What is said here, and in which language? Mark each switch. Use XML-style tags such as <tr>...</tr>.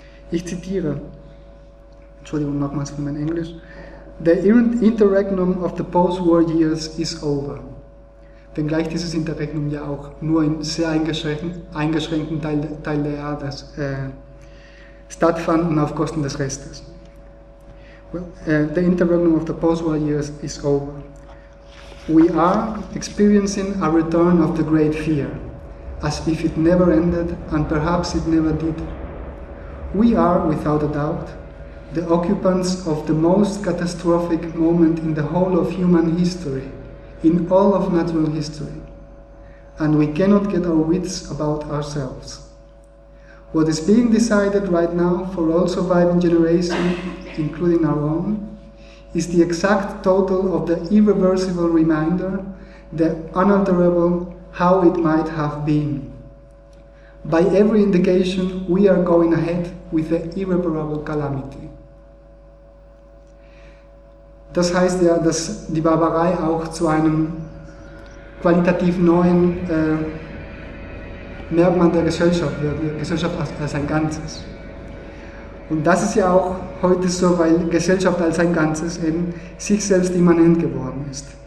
<de>Ich zitiere, Entschuldigung nochmals für mein Englisch,</de> <en>"The interregnum of the post-war years is over."</en> <de>Wenngleich dieses Interregnum ja auch nur in sehr eingeschränkten Teil der Erde stattfand und auf Kosten des Restes.</de> <en>Well, "The interregnum of the post-war years is over. We are experiencing a return of the great fear, as if it never ended and perhaps it never did. We are, without a doubt, the occupants of the most catastrophic moment in the whole of human history, in all of natural history, and we cannot get our wits about ourselves. What is being decided right now for all surviving generations, including our own, is the exact total of the irreversible reminder, the unalterable how it might have been. By every indication, we are going ahead with the irreparable calamity."</en> <de>Das heißt ja, dass die Barbarei auch zu einem qualitativ neuen Merkmal der Gesellschaft wird, der Gesellschaft als ein Ganzes. Und das ist ja auch heute so, weil Gesellschaft als ein Ganzes eben sich selbst immanent geworden ist.</de>